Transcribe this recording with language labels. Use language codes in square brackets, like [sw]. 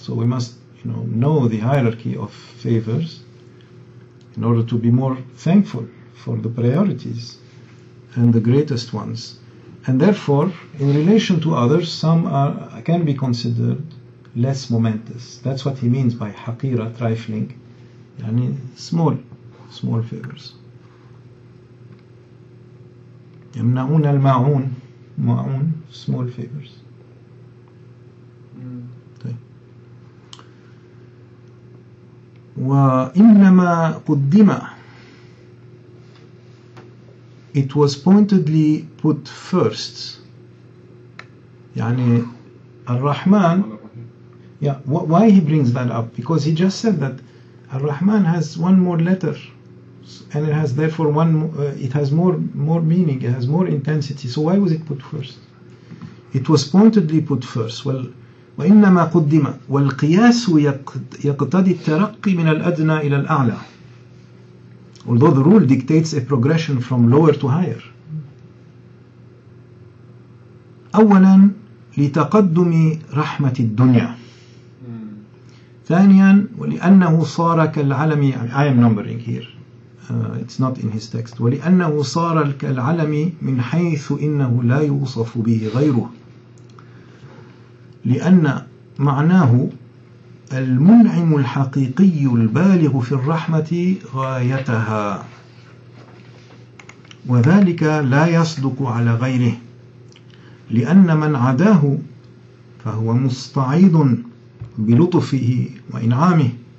[en] So we must, you know the hierarchy of favors in order to be more thankful for the priorities and the greatest ones. And therefore, in relation to others, some are, can be considered less momentous. That's what he means by haqira, trifling, yani small, small favors. [ar] يمنعون الماعون, ماعون, [en] small favors. [ar] وإنما قدم [en] it was pointedly put first. Yani Ar-Rahman, yeah, why he brings that up? Because he just said that Ar-Rahman has one more letter, and it has therefore one, it has more meaning, it has more intensity. So why was it put first? It was pointedly put first. [ar] Well, وإنما قدم والقياس يقتضي الترقي من الأدنى إلى الأعلى. [en] Although the rule dictates a progression from lower to higher. [ar] أولا لتقدم رحمة الدنيا. ثانيا ولأنه صار كالعلم. [en] I am numbering here. It's not in his text. [ar] ولأنه صار كالعلم من حيث إنه لا يوصف به غيره. لأن معناه المنعم الحقيقي البالغ في الرحمة غايتها وذلك لا يصدق على غيره لأن من عداه فهو مستعيض بلطفه وإنعامه